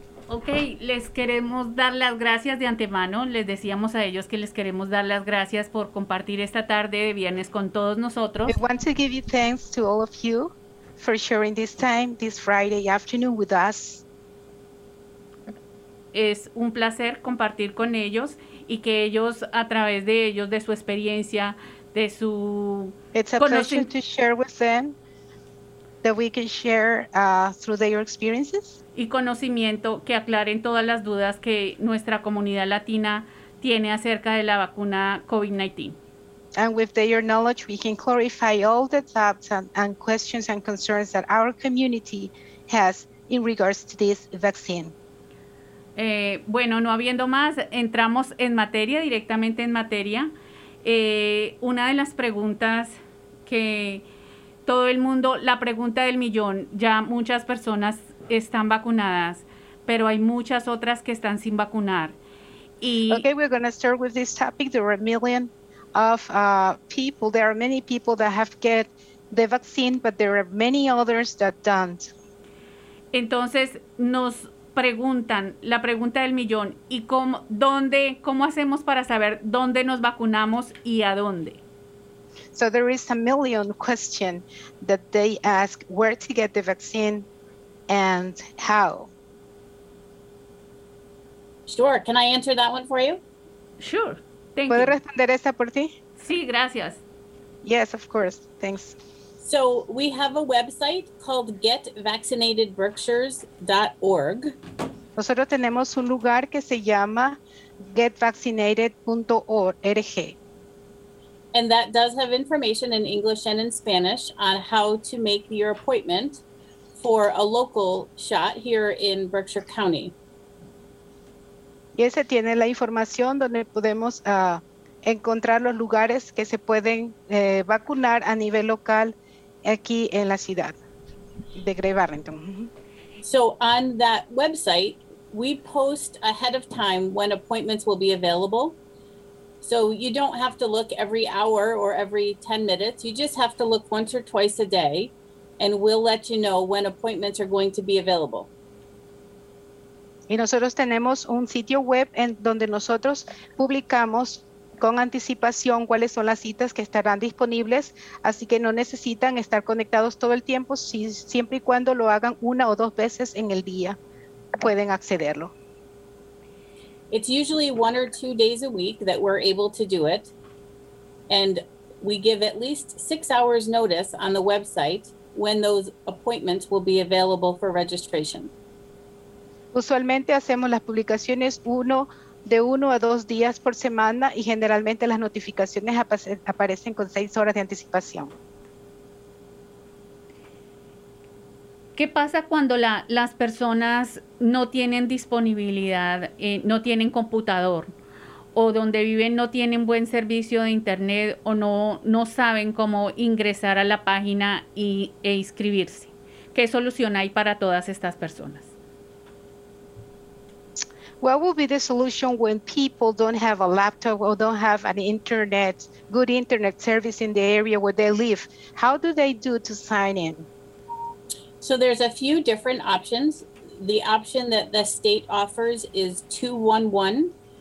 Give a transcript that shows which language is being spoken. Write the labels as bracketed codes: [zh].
[es] Okay, les queremos dar las gracias de antemano. Les decíamos a ellos que les queremos dar las gracias por compartir esta tarde de viernes con todos nosotros. [en] We want to give you thanks to all of you for sharing this time, this Friday afternoon with us. [es] Es un placer compartir con ellos y que ellos, a través de ellos, de su experiencia, de su... [en] It's a pleasure to share with them that we can share through their experiences. [es] Y conocimiento que aclaren todas las dudas que nuestra comunidad latina tiene acerca de la vacuna COVID-19. [en] And with their knowledge, we can clarify all the doubts and questions and concerns that our community has in regards to this vaccine. [es] Bueno, no habiendo más, entramos en materia, directamente en materia. Una de las preguntas que todo el mundo, la pregunta del millón, ya muchas personas están vacunadas, pero hay muchas otras que están sin vacunar. [en] Okay, we're going to start with this topic. There are a million of people, there are many people that have get the vaccine, but there are many others that don't. [es] Entonces, nos preguntan, la pregunta del millón, ¿y cómo, dónde, cómo hacemos para saber dónde nos vacunamos y a dónde? [en] So there is a million question that they ask, where to get the vaccine and how? Sure, can I answer that one for you? Sure. [es] ¿Puedo responder esa por ti? Sí, gracias. [en] Yes, of course. Thanks. So we have a website called getvaccinatedberkshires.org. [es] Nosotros tenemos un lugar que se llama getvaccinated.org. [en] And that does have information in English and in Spanish on how to make your appointment for a local shot here in Berkshire County. [es] Y ese tiene la información donde podemos encontrar los lugares que se pueden vacunar a nivel local aquí en la ciudad de Grey Barrington. [en] So on that website, we post ahead of time when appointments will be available. So you don't have to look every hour or every 10 minutes. You just have to look once or twice a day and we'll let you know when appointments are going to be available. [es] Y nosotros tenemos un sitio web en donde nosotros publicamos con anticipación cuáles son las citas que estarán disponibles, así que no necesitan estar conectados todo el tiempo, siempre y cuando lo hagan una o dos veces en el día, pueden accederlo. [en] It's usually one or two days a week that we're able to do it, and we give at least 6 hours notice on the website when those appointments will be available for registration. [es] Usualmente hacemos las publicaciones de uno a dos días por semana, y generalmente las notificaciones aparecen con 6 horas de anticipación. ¿Qué pasa cuando las personas no tienen disponibilidad, no tienen computador, o donde viven no tienen buen servicio de internet, o no saben cómo ingresar a la página e inscribirse? ¿Qué solución hay para todas estas personas? [en] What will be the solution when people don't have a laptop or don't have an internet, good internet service in the area where they live? How do they do to sign in? So there's a few different options. The option that the state offers is 211.